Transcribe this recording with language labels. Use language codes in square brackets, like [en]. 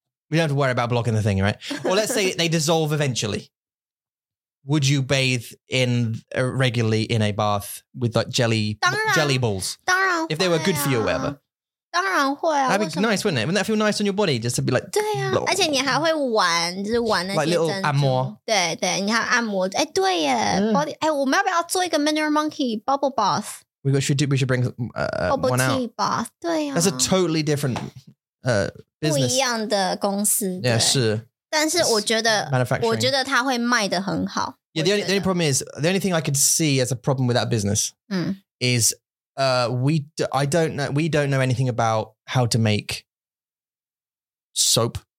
[en] We don't have to worry about blocking the thing, right? Well, let's say they dissolve eventually. Would you bathe in regularly in a bath with like jelly balls? [zh] 当然会啊, [en] if they were good for you or whatever. [zh] 当然会啊, [en] that'd be nice, wouldn't it? Wouldn't that feel nice on your body? Just to be like... [zh] 对啊,而且你还会玩,就是玩那些珍珠。 [en] Like little按摩. [zh] 对,你还按摩.哎,对耶,我们要不要做一个 Mineral Monkey bubble bath? [en] We should bring bubble one tea out. [zh] Bath, 对啊. [en] That's a totally different... [zh] 不一样的公司，但是我觉得它会卖得很好。 [en] Yeah, the only problem is the only thing I could see as a problem with that business is we don't know anything about how to make soap.